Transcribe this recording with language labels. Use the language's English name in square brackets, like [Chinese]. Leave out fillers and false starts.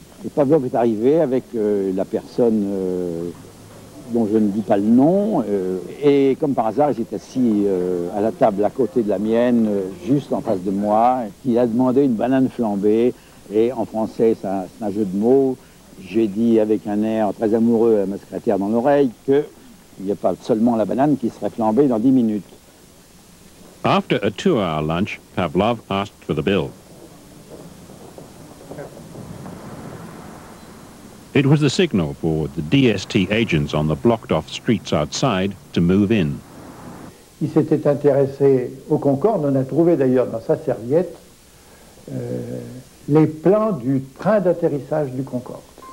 [French] Et Pavlov est arrivé avec la personne dont je ne dis pas le nom, et comme par hasard, il s'est assis à la table à côté de la mienne, juste en face de moi, il a demandé une banane flambée, et en français, c'est un jeu de mots, j'ai dit avec un air très amoureux à ma secrétaire dans l'oreille qu'il n'y a pas seulement la banane qui serait flambée dans 10 minutes. [English] After a two-hour lunch, Pavlov asked for the bill. It was the signal for the DST agents on the blocked-off streets outside to move in. [French] Il s'était intéressé au Concorde. On a trouvé d'ailleurs dans sa serviette les plans du train d'atterrissage du Concorde.